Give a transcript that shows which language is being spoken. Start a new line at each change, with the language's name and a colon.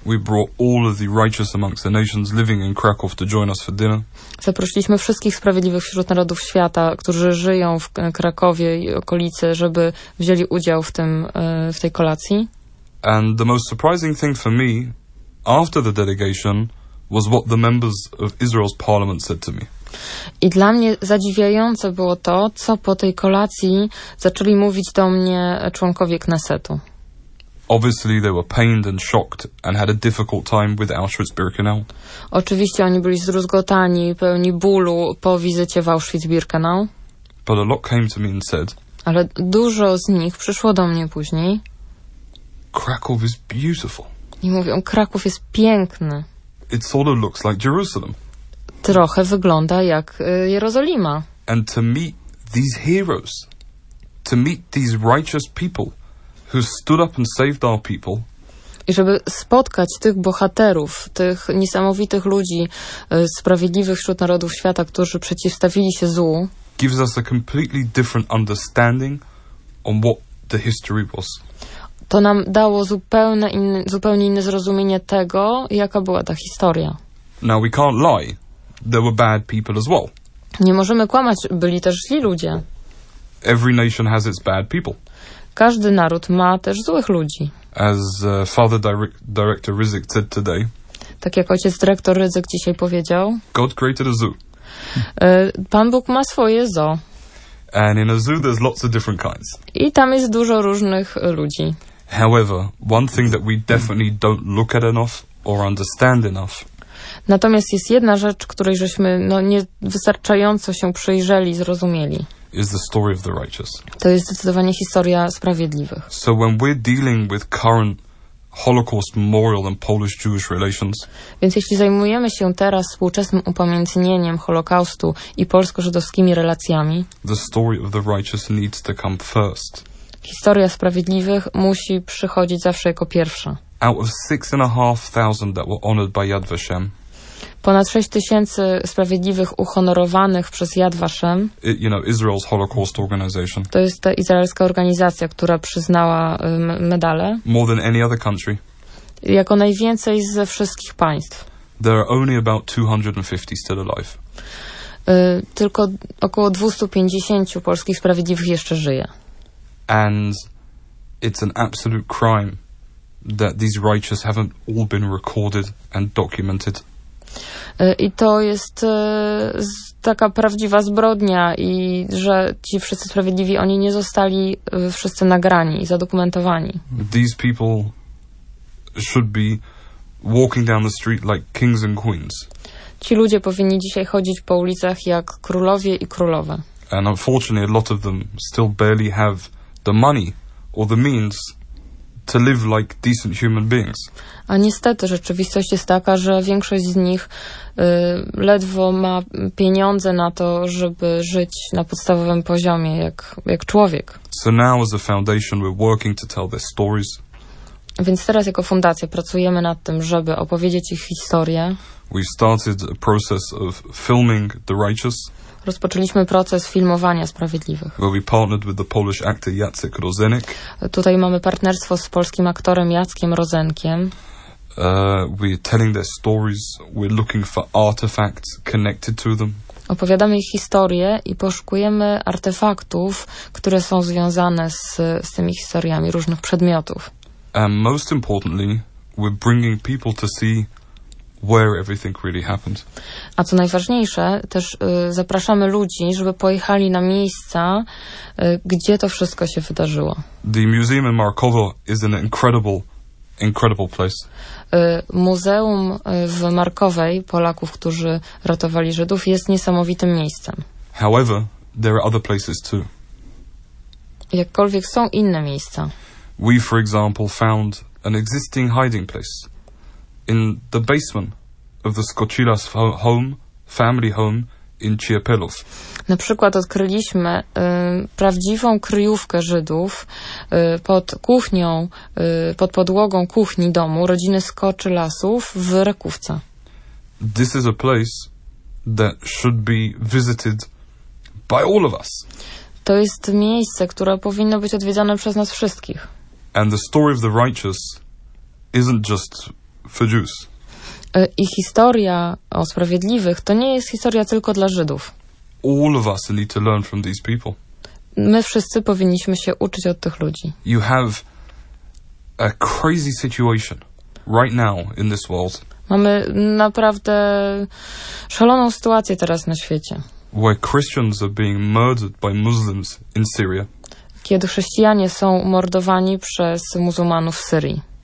English: We brought all of the righteous amongst the nations living in Krakow to join us for dinner.
Polish: Zaprosiliśmy wszystkich sprawiedliwych wśród narodów świata, którzy żyją w Krakowie i okolicy, żeby wzięli udział w tym w tej kolacji.
English: And the most surprising thing for me after the delegation was what the members of Israel's parliament said to me.
Polish: I dla mnie zadziwiające było to, co po tej kolacji zaczęli mówić do mnie członkowie Knesetu.
English: Obviously they were pained and shocked and had a difficult time with Auschwitz-Birkenau.
Polish: Oczywiście oni byli zrozgotani, pełni bólu po wizycie w Auschwitz-Birkenau.
English: But a lot came to me and said.
Polish: Ale dużo z nich przyszło do mnie później.
English: Krakow is beautiful.
Polish: I mówią, Kraków jest piękny.
English: It sort of looks like Jerusalem.
Polish: Trochę wygląda jak Jerozolima.
English: And to meet these heroes, to meet these righteous people who stood up and saved our people.
Polish: I żeby spotkać tych bohaterów, tych niesamowitych ludzi, sprawiedliwych wśród narodów świata, którzy przeciwstawili się złu,
English: gives us a completely different understanding on what the history was.
Polish: To nam dało zupełnie inne zrozumienie tego, jaka była ta historia.
English: Now we can't lie. There were bad people as well.
Polish: Nie możemy kłamać, byli też źli ludzie.
English: Every nation has its bad people.
Polish: Każdy naród ma też złych ludzi.
English: As Father Director Rizik said today.
Polish: Tak jak ojciec dyrektor Rizik dzisiaj powiedział.
English: God created a zoo.
Polish: Pan Bóg ma swoje zoo.
English: And in a zoo there's lots of different kinds.
Polish: I tam jest dużo różnych ludzi.
English: However, one thing that we definitely don't look at enough or understand enough.
Polish: Natomiast jest jedna rzecz, której żeśmy niewystarczająco się przyjrzeli, zrozumieli.
English: Is the story of the righteous.
Polish: To jest zdecydowanie historia sprawiedliwych.
English: So when we're dealing with current Holocaust memorial and Polish-Jewish relations.
Polish: Więc jeśli zajmujemy się teraz współczesnym upamiętnieniem Holokaustu i polsko-żydowskimi relacjami,
English: the story of the righteous needs to come first.
Polish: Historia sprawiedliwych musi przychodzić zawsze jako pierwsza.
English: Out of 6,500 that were honored by Yad Vashem.
Polish: Ponad 6,000 sprawiedliwych uhonorowanych przez Yad Vashem.
English: You know, Israel's Holocaust Organization.
Polish: To jest ta izraelska organizacja, która przyznała medale.
English: More than any other country.
Polish: Jako najwięcej ze wszystkich państw.
English: There are only about 250 still alive.
Polish: Tylko około 250 polskich sprawiedliwych jeszcze żyje.
English: And it's an absolute crime that these righteous haven't all been recorded and documented.
Polish: I to jest taka prawdziwa zbrodnia i że ci wszyscy sprawiedliwi, oni nie zostali wszyscy nagrani i zadokumentowani.
English: These people should be walking down the street like kings and queens.
Polish: Ci ludzie powinni dzisiaj chodzić po ulicach jak królowie i królowe.
English: And unfortunately a lot of them still barely have the money or the means to live like decent human beings.
Polish: A niestety rzeczywistość jest taka, że większość z nich ledwo ma pieniądze na to, żeby żyć na podstawowym poziomie jak człowiek.
English: So now as a foundation we're working to tell their stories.
Polish: Więc teraz jako fundacja pracujemy nad tym, żeby opowiedzieć ich historię.
English: We started a process of filming the righteous.
Polish: Rozpoczęliśmy proces filmowania sprawiedliwych.
English: We partnered with the Polish actor Jacek Rozenek.
Polish: Tutaj mamy partnerstwo z polskim aktorem Jackiem Rozenkiem.
English: We're telling their stories. We're looking for artifacts connected to them.
Polish: Opowiadamy ich historię i poszukujemy artefaktów, które są związane z tymi historiami różnych przedmiotów.
English: And most importantly, we're bringing people to see where everything really happened.
Polish: A co najważniejsze, też zapraszamy ludzi, żeby pojechali na miejsca, gdzie to wszystko się wydarzyło.
English: The museum in Markowo is an incredible place.
Polish: Muzeum w Markowej Polaków, którzy ratowali Żydów, jest niesamowitym miejscem.
English: However, there are other places too.
Polish: Jakkolwiek są inne miejsca.
English: We, for example, found an existing hiding place. In the basement of the Skocilas home, family home in Ciepelów.
Polish: Na przykład odkryliśmy prawdziwą kryjówkę Żydów pod kuchnią, pod podłogą kuchni domu rodziny Skocilasów w Rakówce.
English: This is a place that should be visited by all of us.
Polish: To jest miejsce, które powinno być odwiedzane przez nas wszystkich.
English: And the story of the righteous isn't just for Jews.
Polish: I historia o sprawiedliwych to nie jest historia tylko dla Żydów.
English: All of us need to learn from these people.
Polish: My wszyscy powinniśmy się uczyć od tych ludzi.
English: You have a crazy situation right now in this world.
Polish: Mamy naprawdę szaloną sytuację teraz na świecie.
English: Where Christians are being murdered by Muslims in Syria.
Polish: Kiedy chrześcijanie są mordowani przez muzułmanów w Syrii.